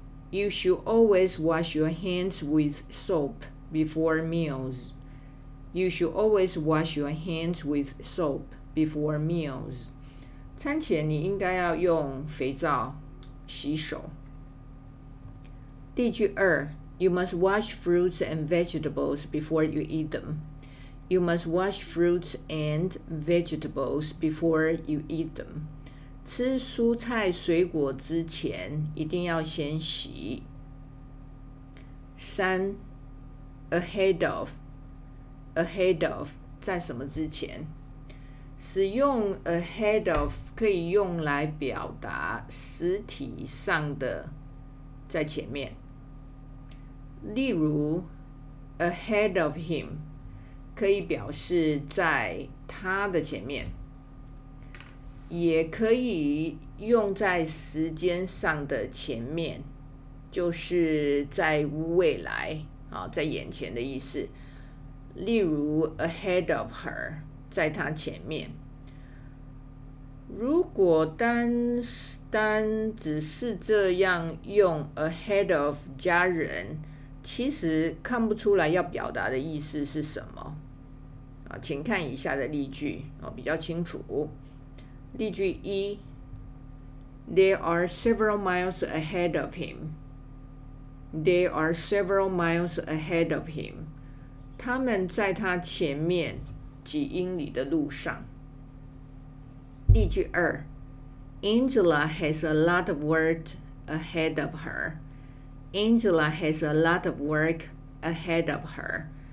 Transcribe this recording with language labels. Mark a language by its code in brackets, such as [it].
[en] You should always wash your hands with soap before meals. You should always wash your hands with soap before meals. [zh] 餐前你应该要用肥皂洗手。第句二， [en] You must wash fruits and vegetables before you eat them. You must wash fruits and vegetables before you eat them. [zh] 吃蔬菜水果之前一定要先洗。三 ,ahead of, 在什么之前？使用 ahead of 可以用来表达实体上的在前面。例如 ,ahead of him, 可以表示在他的前面。也可以用在时间上的前面，就是在未来，在眼前的意思。例如 ,ahead of her, 在她前面。如果 单只是这样用 ,ahead of 家人，其实看不出来要表达的意思是什么。请看以下的例句，比较清楚。例句一 [en] ,There are several miles ahead of him. [zh] 他们在他前面几英里的路上。例句二 [en] ,Angela has a lot of work ahead of her. Angela has a lot of work ahead of her.